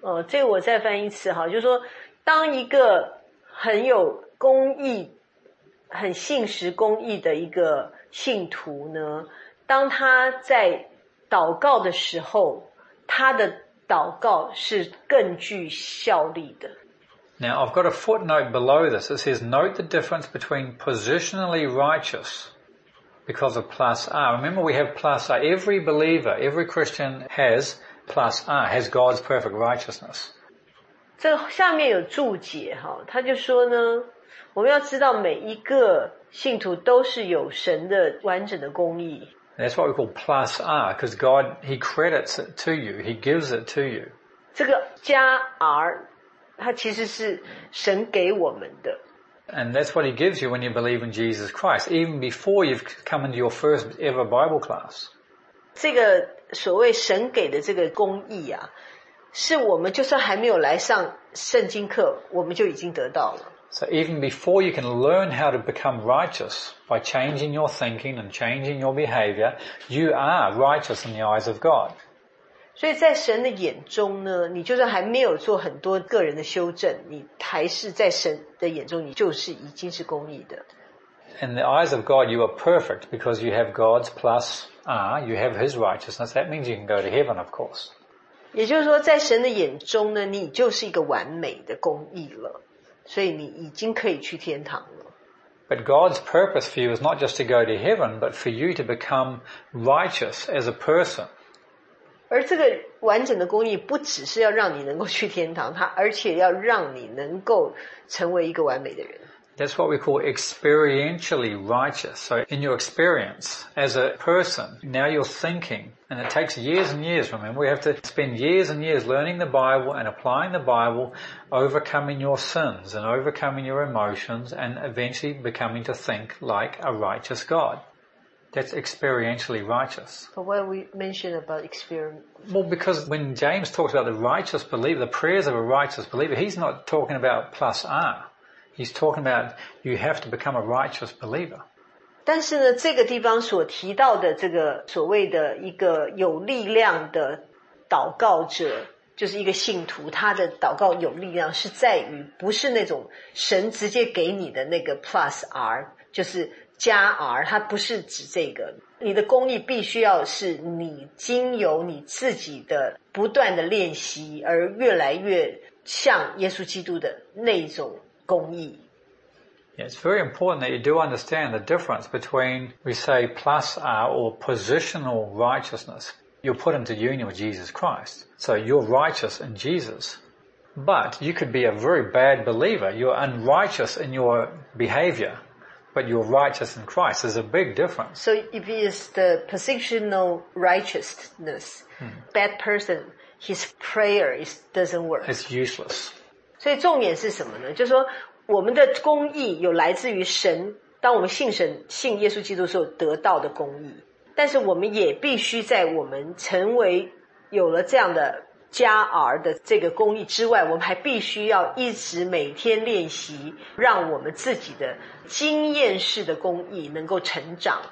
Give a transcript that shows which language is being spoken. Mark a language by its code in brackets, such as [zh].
[zh] 这个我再翻一次哈，就是说，当一个很有公义、很信实公义的一个信徒呢，当他在祷告的时候，他的祷告是更具效力的。 [en] Now, I've got a footnote below this. It says, note the difference between positionally righteous because of plus R. Remember, we have plus R. Every believer, every Christian has plus R, has God's perfect righteousness. [zh] 这下面有注解，他就说呢，我们要知道每一个信徒都是有神的完整的公义。 [en] That's what we call plus R, because God, He credits it to you. He gives it to you. [zh] 这个加 R, 它其实是神给我们的。 [en] And that's what He gives you when you believe in Jesus Christ, even before you've come into your first ever Bible class. [zh] 这个所谓神给的这个公义啊，是我们就算还没有来上圣经课，我们就已经得到了。 [en] So even before you can learn how to become righteous by changing your thinking and changing your behavior, you are righteous in the eyes of God. [zh] 所以在神的眼中呢，你就算还没有做很多个人的修正，你还是在神的眼中，你就是已经是公义的。 [en] In the eyes of God, you are perfect because you have God's plus R, you have His righteousness. That means you can go to heaven, of course. [zh] 也就是说，在神的眼中呢，你就是一个完美的公义了。所以你已经可以去天堂了。 [en] But God's purpose for you is not just to go to heaven, but for you to become righteous as a person. [zh] 而这个完整的公义不只是要让你能够去天堂，它而且要让你能够成为一个完美的人。 [en] That's what we call experientially righteous. So in your experience as a person, now you're thinking, and it takes years and years. Remember, we have to spend years and years learning the Bible and applying the Bible, overcoming your sins and overcoming your emotions and eventually becoming to think like a righteous God. That's experientially righteous. But why we mention about experience? Well, because when James talks about the righteous believer, the prayers of a righteous believer, he's not talking about plus R. He's talking about you have to become a righteous believer. [zh] 但是呢，这个地方所提到的这个所谓的一个有力量的祷告者，就是一个信徒，他的祷告有力量是在于不是那种神直接给你的那个 plus R， 就是加 R， 他不是指这个。你的功力必须要是你经由你自己的不断的练习而越来越像耶稣基督的那种。 [en] Yeah, it's very important that you do understand the difference between, we say, plus R or positional righteousness. You're put into union with Jesus Christ. So you're righteous in Jesus. But you could be a very bad believer. You're unrighteous in your behavior, but you're righteous in Christ. There's a big difference. So if he is the positional righteousness, bad person, his prayer doesn't work. It's useless. [zh] 所以重点是什么呢？就是说，我们的公义有来自于神，当我们信神、信耶稣基督的时候得到的公义。但是我们也必须在我们成为有了这样的加R的这个公义之外，我们还必须要一直每天练习，让我们自己的经验式的公义能够成长。